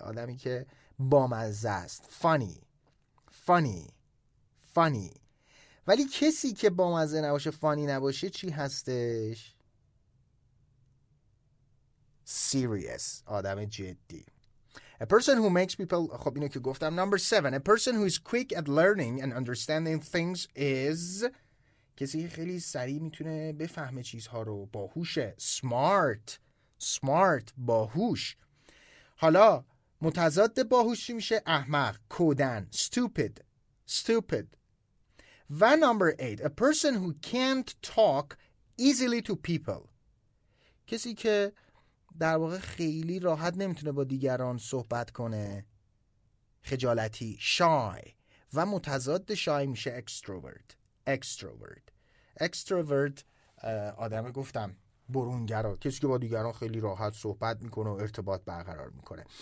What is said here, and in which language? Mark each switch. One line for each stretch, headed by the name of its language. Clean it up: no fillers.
Persian: آدمی که بامزه است. Funny. Funny. Funny. ولی کسی که بامزه نباشه، فانی نباشه چی هستش؟ Serious. آدم جدی.
English: A person who makes people...
Persian: خب اینو که گفتم.
English: Number seven. A person who is quick at learning and understanding things is...
Persian: کسی که خیلی سریع میتونه بفهمه چیزها رو. باهوشه. Smart. Smart. باهوش. حالا متضاد باهوشی میشه احمق.
English: کودن. Stupid. Stupid. و number eight. A person who can't talk easily to people.
Persian: کسی که در واقع خیلی راحت نمیتونه با دیگران صحبت کنه. خجالتی. Shy. و متضاد shy میشه extrovert. Extrovert. Extrovert آدم گفتم برونگرا، کسی که با دیگران خیلی راحت صحبت میکنه و ارتباط برقرار میکنه.